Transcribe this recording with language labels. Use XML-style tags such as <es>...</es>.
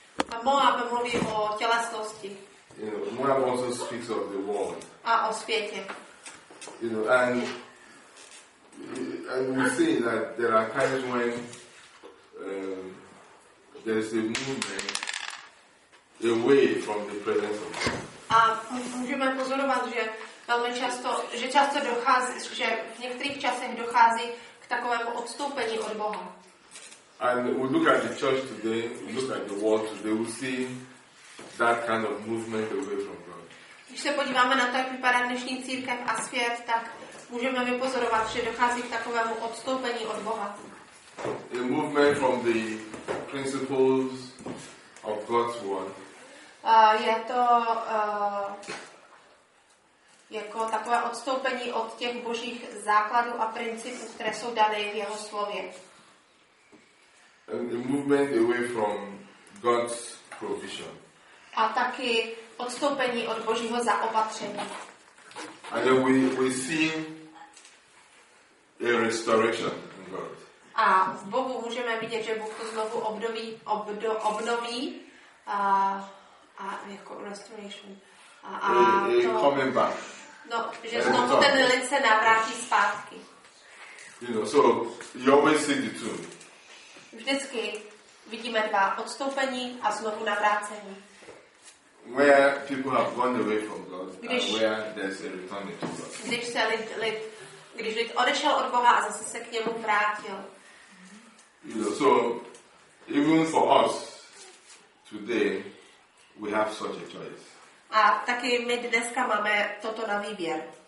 <cs>A Moab mluví o tělesnosti.</cs> <en>Moab also speaks of the world.</en> <cs>A o světě.</cs> <en>And we see that there are times when there is a movement away from the presence of God.</en> <cs>A můžeme pozorovat, že velmi často, že často dochází, že v některých časech dochází k takovému odstoupení od Boha.</cs> <en>And we look at the church today, we look at the world today, we see that kind of movement away from God.</en> <cs>Když se podíváme na to, jak vypadá dnešní církev a svět, tak můžeme vypozorovat, že dochází k takovému odstoupení od Boha.</cs> <en>A movement from the principles of God's word.</en> <cs>Je to jako takové odstoupení od těch Božích základů a principů, které jsou dané v jeho slově.</cs> <en>And the movement away from God's provision.</en> <cs>A taky odstoupení od Božího zaopatření.</cs> <en>And then we see a restoration in God.</en> <cs>A v Bohu můžeme vidět, že Bůh to znovu obnoví, obnoví a jako restoration.</cs> <en>Coming back.</en> <cs>No, že znovu ten lid se navrátí zpátky.</cs> <en>So you always see the two.</en> <cs>Vždycky vidíme dva, odstoupení a znovu navrácení.</cs> <en>Where people have gone away from God,</en> <cs>když,</cs> <en>and where there's a returning to God.</en> <cs>Když se lid odešel od Boha a zase se k němu vrátil.</cs> <en>So even for us today, we have such a choice.</en> <cs>A taky my dneska máme toto na výběr.</cs>